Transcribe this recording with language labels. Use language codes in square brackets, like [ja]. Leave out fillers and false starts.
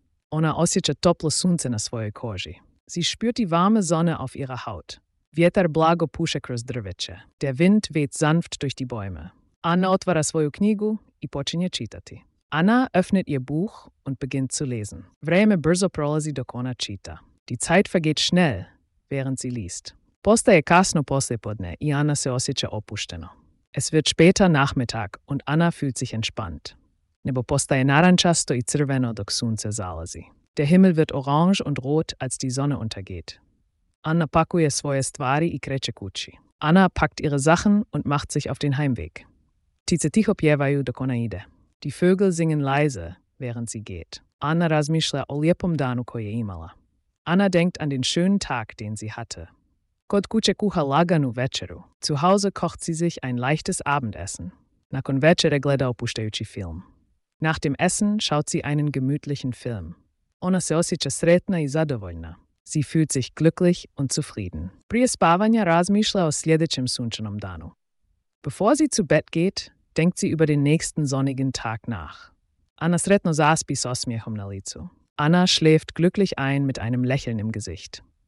[hr] Ona osjeća toplo sunce na svojoj koži. [de] Sie spürt die warme Sonne auf ihrer Haut. [hr] Vjetar blago puše kroz drveće. [de] Der Wind weht sanft durch die Bäume. [hr] Anna otvara svoju knjigu i počinje čitati. [de] Anna öffnet ihr Buch und beginnt zu lesen. [hr] Vreme brzo prolazi dok ona čita. [de] Die Zeit vergeht schnell, während sie liest. [hr] Postaje kasno poslijepodne i Anna se osjeća opušteno. [de] Es wird später Nachmittag und Anna fühlt sich entspannt. [hr] Nebo postaje narančasto i crveno dok sunce zalazi. [de] Der Himmel wird orange und rot, als die Sonne untergeht. [hr] Anna pakuje svoje stvari i kreće kući. [de] Anna packt ihre Sachen und macht sich auf den Heimweg. [hr] Tice tiho pjevaju dok ona ide. [de] Die Vögel singen leise, während sie geht. [hr] Anna razmišlja o lijepom danu koje imala. [de] Anna denkt an den schönen Tag, den sie hatte. [hr] Kod kuće kuha laganu večeru. [de] Zu Hause kocht sie sich ein leichtes Abendessen. [hr] Nakon večere gleda opuštajući film. [de] Nach dem Essen schaut sie einen gemütlichen Film. [hr] Ona se osjeća sretna i zadovoljna. [de] Sie fühlt sich glücklich und zufrieden. [hr] Prije spavanja razmišlja o sljedećem sunčanom danu. [de] Bevor sie zu Bett geht, denkt sie über den nächsten sonnigen Tag nach. [hr] Anna sretno zaspi s osmijehom na licu. [de] Anna schläft glücklich ein mit einem Lächeln im Gesicht.